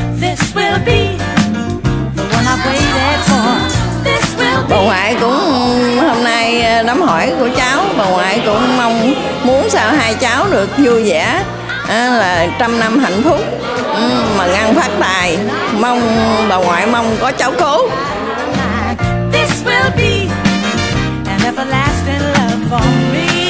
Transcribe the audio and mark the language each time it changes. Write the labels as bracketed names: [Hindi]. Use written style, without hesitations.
[English] This will be the one I've waited for. This will be. [Vietnamese] Bà ngoại cũng hôm nay đám hỏi của cháu, bà ngoại cũng mong muốn sao hai cháu được vui vẻ, là trăm năm hạnh phúc mà ngăn phát tài. Mong bà ngoại mong có cháu cố. [English] This will be an everlasting love for me.